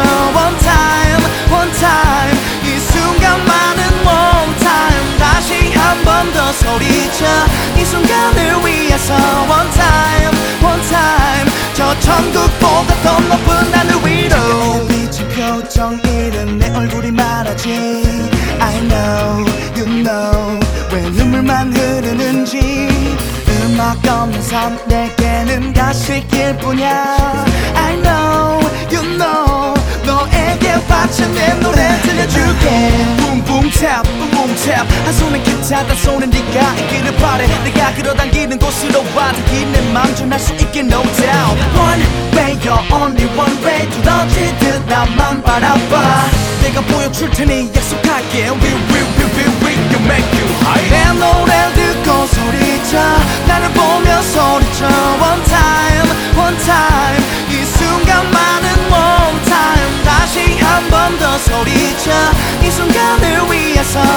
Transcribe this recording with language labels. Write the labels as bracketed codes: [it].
[en] One time, one time. [ko] 이 순간만은 [en] one time. [ko] 다시 한 번 더 소리쳐 이 순간을 위해서. [en] One time, one time. [ko] 저 천국보다 더 높은 하늘 위로 지금 비친 표정 잃은 내 얼굴이 말하지. [en] I know, you know, [ko] 왜 눈물만 흐르는지. 음악 없는 삶 내게는 가식일 뿐이야. [en] I know, you know, [ko] 너에게 바친 내 노래 들려줄게. [en] Boom boom tap, boom boom tap. [ko] 한 손은 기타, 한 손은 네가 있기를 바래. 내가 끌어당기는 곳으로 와닿기 내 맘 전할 수 있게 [en] no doubt. One way, you're only one way. [ko] 두더지듯 나만 바라봐. 내가 보여줄 테니 약속할게. [en] We can make you high. [ko] 내 노래 듣고 소리쳐 나를 보며 소리쳐. [en] One time, one time. [ko] 이 순간만은 [en] one time. [ko] 다시 한 번 더 소리쳐 이 순간을 위해서.